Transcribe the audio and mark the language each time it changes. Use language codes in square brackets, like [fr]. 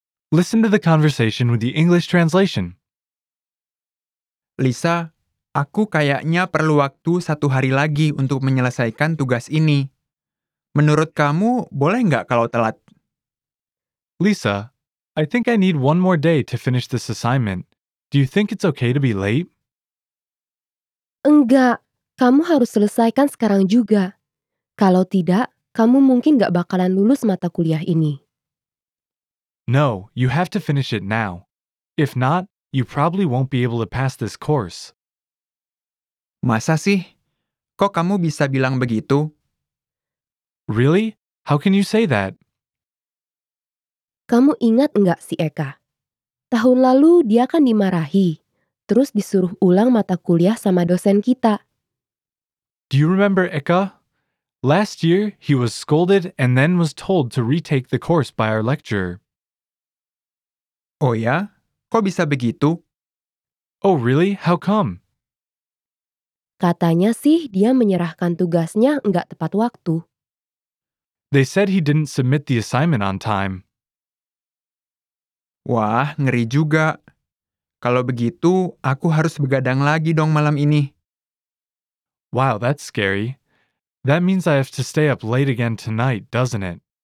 [en] Listen to the conversation with the English translation. [id] Lisa, aku kayaknya perlu waktu satu hari lagi untuk menyelesaikan tugas ini. Menurut kamu, boleh nggak kalau telat? [en] Lisa, I think I need one more day to finish this assignment. Do you think it's okay to be late? [id] Enggak, kamu harus selesaikan sekarang juga. Kalau tidak, kamu mungkin nggak bakalan lulus mata kuliah ini. [en] No, you have to finish it now. If not, you probably won't be able to pass this course. [id] Masa sih? Kok kamu bisa bilang begitu? [en] Really? How can you say that? [id] Kamu ingat nggak si Eka? Tahun lalu dia kan dimarahi, terus disuruh ulang mata kuliah sama dosen kita. [en] Do you remember Eka? Last year, he was scolded and then was told to retake the course by our lecturer. [id] Oh ya? Kok bisa begitu? [en] Oh really? How come? [id] Katanya sih dia menyerahkan tugasnya nggak tepat waktu. [en] They said he didn't submit the assignment on time. [id] Wah, ngeri juga. Kalau begitu, aku harus begadang lagi dong malam ini. [en] Wow, that's scary. That means I have to stay up late again tonight, doesn't it?